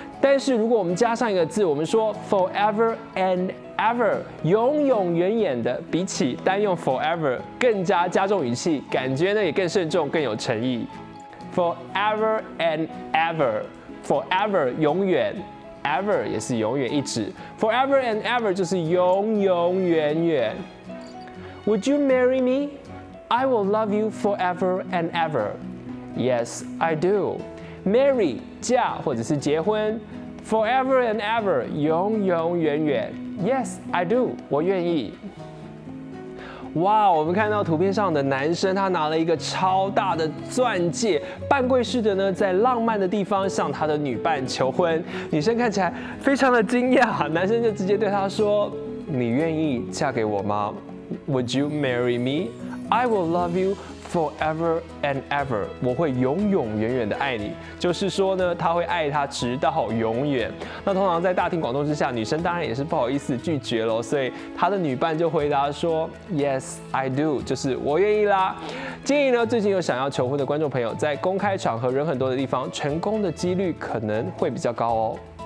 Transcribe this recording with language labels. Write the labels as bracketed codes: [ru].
[zh] 但是如果我们加上一个字，我们说 [en] forever and ever， [zh] 永永远远的，比起单用 forever 更加加重语气，感觉呢也更慎重，更有诚意。 [en] forever and ever，forever [zh] 永远。 ever 也是永远一直 ， [en] forever and ever [zh] 就是永永远远。 [en] Would you marry me？ I will love you forever and ever. Yes, I do. Marry, [zh] 嫁或者是结婚 [en] Forever and ever, [zh] 永永远远 [en] Yes, I do. [zh] 我愿意。哇、wow, ，我们看到图片上的男生，他拿了一个超大的钻戒，半跪式的呢，在浪漫的地方向他的女伴求婚。女生看起来非常的惊讶，男生就直接对她说：“你愿意嫁给我吗 ？ [en] Would you marry me?” I will love you forever and ever. [zh] 我会永永远远的爱你，就是说呢，他会爱他直到永远。那通常在大庭广众之下，女生当然也是不好意思拒绝了，所以他的女伴就回答说 ， [en] Yes, I do， [zh] 就是我愿意啦。建议呢，最近有想要求婚的观众朋友，在公开场合人很多的地方，成功的几率可能会比较高哦。